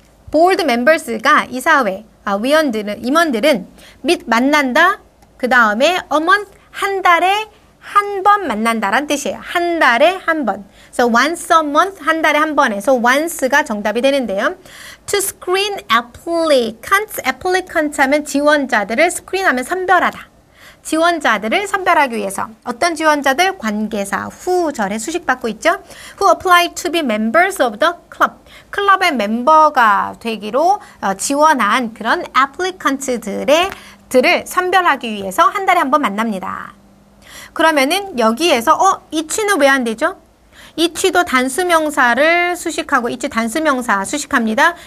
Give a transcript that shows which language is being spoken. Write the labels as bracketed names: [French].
[Korean] Board members가 이사회, 위원들은, 임원들은 및 만난다, 그 다음에 a month, 한 달에 한 번 만난다란 뜻이에요. 한 달에 한 번. [English] So once a month, [Korean] 한 달에 한 번에서 once가 정답이 되는데요. To screen applicants, applicants 하면 지원자들을 screen 하면 선별하다. 지원자들을 선별하기 위해서 어떤 지원자들? 관계사 후절에 수식받고 있죠. [English] Who apply to be members of the club. [Korean] 클럽의 멤버가 되기로 지원한 그런 applicants들을 선별하기 위해서 한 달에 한번 만납니다. 그러면은 여기에서 each는 왜 안 되죠? each도 단수명사를 수식하고 each 단수명사 수식합니다.